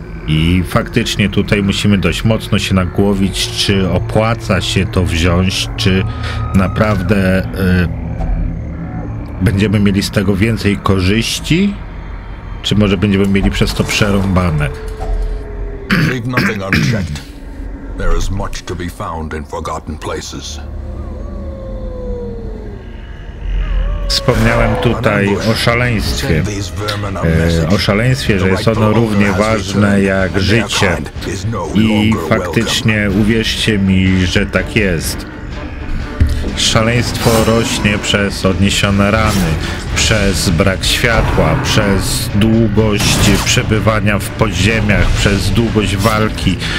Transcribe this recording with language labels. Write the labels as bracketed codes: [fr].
[pl] I faktycznie tutaj musimy dość mocno się nagłowić, czy opłaca się to wziąć, czy naprawdę będziemy mieli z tego więcej korzyści, czy może będziemy mieli przez to przerąbane. [en] Leave nothing unchecked. There is much to be found in forgotten places. [pl] Wspomniałem tutaj o szaleństwie. O szaleństwie, że jest ono równie ważne jak życie. I faktycznie uwierzcie mi, że tak jest. Szaleństwo rośnie przez odniesione rany, przez brak światła, przez długość przebywania w podziemiach, przez długość walki.